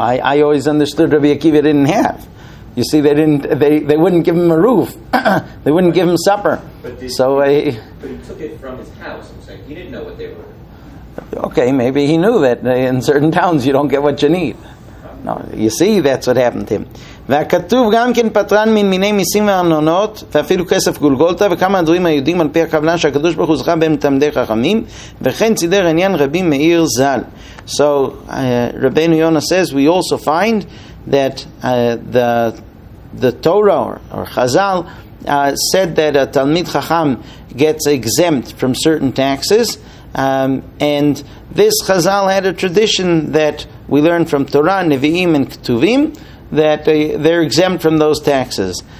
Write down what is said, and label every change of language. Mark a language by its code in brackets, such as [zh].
[en] I always understood Rabbi Akiva didn't have. You see, they didn't. They wouldn't give him a roof. They wouldn't give him supper. But he took it from his house. I'm saying he didn't know what they were. Okay, maybe he knew that in certain towns you don't get what you need. No, you see, that's what happened to him. [he] והכתוב גם כן פטרן מן מיני מיסים וארנונות ואפילו כסף גולגולתא וכמה הדברים היהודים על פי הכוונה שהקדוש ברוך הוא זכה בהם תלמידי חכמים וכן צידר עניין רבי מאיר ז"ל. [en] So Rabbeinu Yonah says we also find that the Torah or Chazal said that a Talmid Chacham gets exempt from certain taxes, and this Chazal had a tradition that we learn from Torah, Nevi'im, and Ketuvim that they're exempt from those taxes.